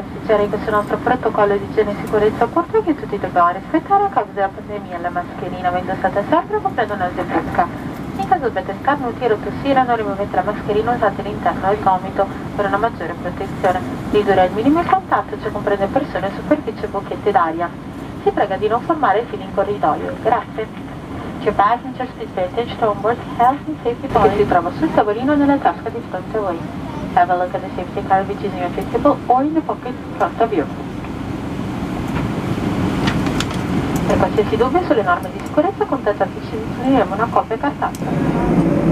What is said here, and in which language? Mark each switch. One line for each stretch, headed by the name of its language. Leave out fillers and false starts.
Italian: Questo nostro protocollo di igiene e sicurezza porta che tutti dobbiamo rispettare a causa della pandemia, la mascherina va indossata sempre coprendo il naso e bocca. In caso dovete starnutire o tossire, non rimuovete la mascherina usate all'interno del gomito per una maggiore protezione. Ridurre al minimo il contatto, cioè comprende persone, superfici e bocchette d'aria. Si prega di non formare fili in corridoio. Grazie.
English: Your passengers, please pay attention to onboard health and safety policy.
Italian: Si trova sul tavolino nella tasca di fronte a voi.
English: Have a look at the safety card which is in your ticket or in the pocket in front of you.
Italian: Per qualsiasi dubbio sulle norme di sicurezza contattateci, vi forniremo una copia cartacea.